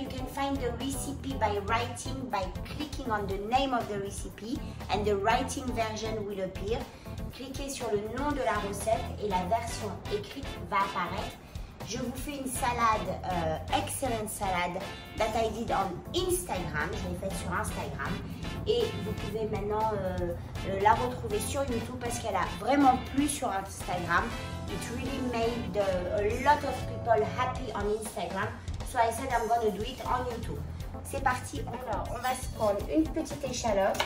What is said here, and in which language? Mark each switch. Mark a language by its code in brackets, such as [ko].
[en] You can find the recipe by writing, by clicking on the name of the recipe and the writing version will appear. [fr] Cliquez sur le nom de la recette et la version écrite va apparaître. Je vous fais une salade, excellent salade, [en] that I did on Instagram, [fr] je l'ai faite sur Instagram. Et vous pouvez maintenant la retrouver sur YouTube parce qu'elle a vraiment plu sur Instagram. [en] It really made a lot of people happy on Instagram. So I said I'm going to do it on YouTube. [fr] C'est parti. Alors, on va se prendre une petite échalote.